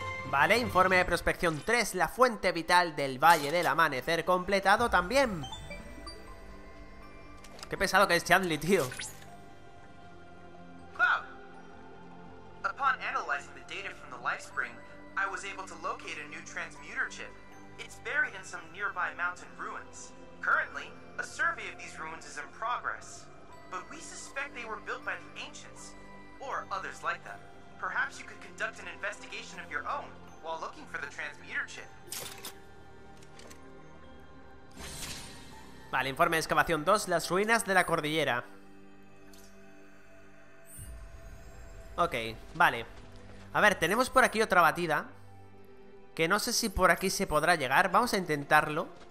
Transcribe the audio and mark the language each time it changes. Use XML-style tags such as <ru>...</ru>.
<es>Vale, informe de prospección 3, la fuente vital del Valle del Amanecer completado también. Qué pesado que es Chandler, tío. Cloud.</es> <en>Upon analyzing the data from the Life Spring, I was able to locate a new transmuter chip. It's buried in some nearby mountain ruins. Currently, a survey of these ruins is in progress, but we suspect they were built by the ancients or others like them. Perhaps you could conduct an investigation of your own. While looking for the transmuter chip.</en> <es>Vale, informe de excavación 2, las ruinas de la cordillera. Ok, vale. A ver, tenemos por aquí otra batida. Que no sé si por aquí se podrá llegar. Vamos a intentarlo.</es>